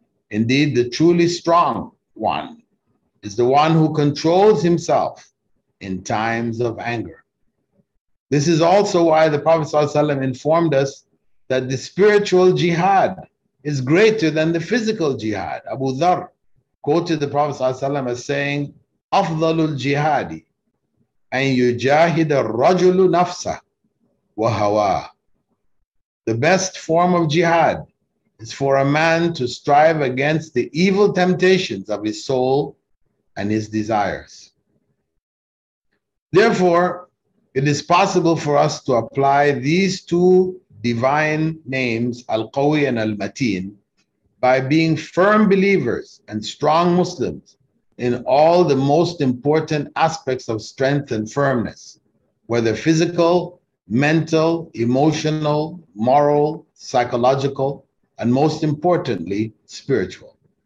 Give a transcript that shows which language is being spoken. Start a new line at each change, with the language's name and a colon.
English: Indeed, the truly strong one is the one who controls himself in times of anger. This is also why the Prophet ﷺ informed us that the spiritual jihad is greater than the physical jihad. Abu Dharr quoted the Prophet ﷺ as saying,
Arabic: أَفْضَلُ الْجِهَادِ أَنْ يُجَاهِدَ الرَّجُلُ نَفْسَهُ وَهَوَاهُ.
English: The best form of jihad is for a man to strive against the evil temptations of his soul and his desires. Therefore, it is possible for us to apply these two divine names, Al-Qawi and Al-Mateen, by being firm believers and strong Muslims in all the most important aspects of strength and firmness, whether physical, mental, emotional, moral, psychological, and most importantly, spiritual.